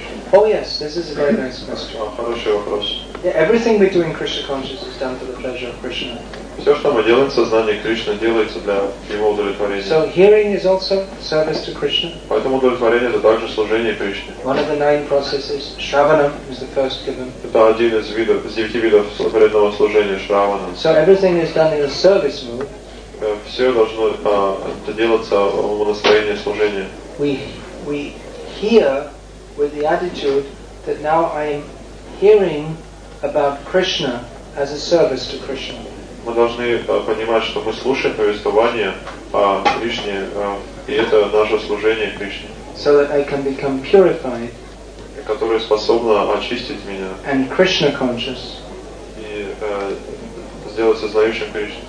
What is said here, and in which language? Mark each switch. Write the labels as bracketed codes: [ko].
[en] Oh yes, this is a very nice question. [ru] Хороший вопрос. [en] Yeah, everything we do in Krishna consciousness is done for the pleasure of Krishna. [ru] Все, что мы делаем в сознании Кришны, делается для его удовлетворения. [en] So hearing is also service to Krishna. [ru] Поэтому удовлетворение это также служение Кришне. [en] One of the nine processes, Shravana, is the first given. [ru] Это один из видов, из девяти видов преданного служения Шравана. [en] So everything is done in a service mood. [ru] Все должно это делаться в настроении служения. [en] We hear with the attitude that now I am hearing about Krishna as a service to Krishna. [ru] Мы должны понимать, что мы слушаем повествование о Кришне, и это наше служение Кришне. [en] So that I can become purified. [ru] Которое способно очистить меня. [en] And Krishna conscious. [ru] И сделать сознающим Кришну.